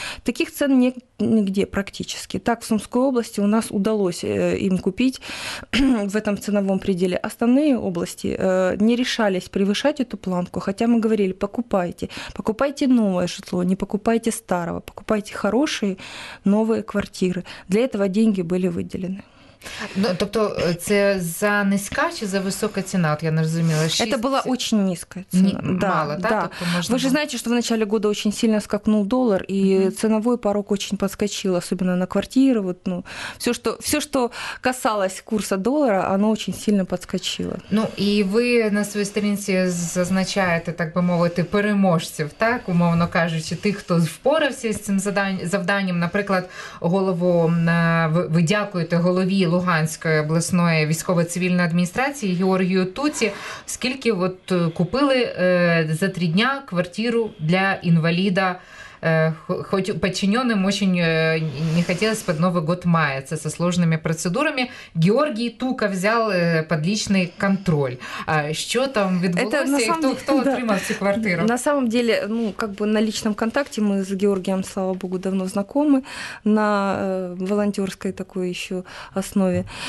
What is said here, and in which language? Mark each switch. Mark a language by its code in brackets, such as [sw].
[ru] Таких цен не нигде практически. Так, в Сумской области у нас удалось им купить в этом ценовом пределе. Остальные области не решались превышать эту планку, хотя мы говорили, покупайте. Покупайте новое жилье, не покупайте старого. Покупайте хорошие новые квартиры. Для этого деньги были выделены. [uk] Ну, тобто це за низька чи за висока ціна? От я не розуміла. Це була дуже низька ціна. Да, мало, так? Да. Тобто ви ж знаєте, що в початку року дуже сильно скакнув долар, і ціновий порог дуже підскочив, особливо на квартири. Вот, ну, все, що касалось курсу долара, воно дуже сильно підскочило. Ну, і ви на своїй сторінці зазначаєте, так би мовити, переможців, так? Умовно кажучи, тих, хто впорався з цим завданням, наприклад, ви дякуєте голові Луганської обласної військово-цивільної адміністрації Георгію Туці, скільки от купили за 3 дні квартиру для інваліда [ru] хоть подчиненным очень не хотелось под Новый год маяться со сложными процедурами, Георгий Тука взял под личный контроль. А что там відбулося? Кто отримал всю квартиру? На самом деле, ну, как бы на личном контакте мы с Георгием, слава богу, давно знакомы на волонтерской такой еще основе.